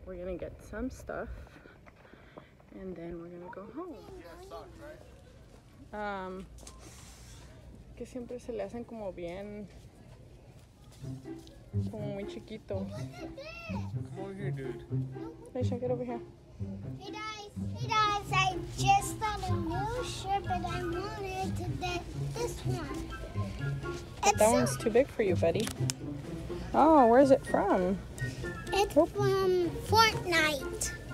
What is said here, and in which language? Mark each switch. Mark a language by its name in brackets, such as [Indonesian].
[English] We're gonna get some stuff, and then we're gonna go home. [Spanish] Que siempre se le hacen como bien, como muy chiquito. [English] Come over here, dude. Hey, check it over here. Hey guys, I just found a new shirt, but I wanted to get this one. But that one's too big for you, buddy. Oh, where is it from? It's from Fortnite.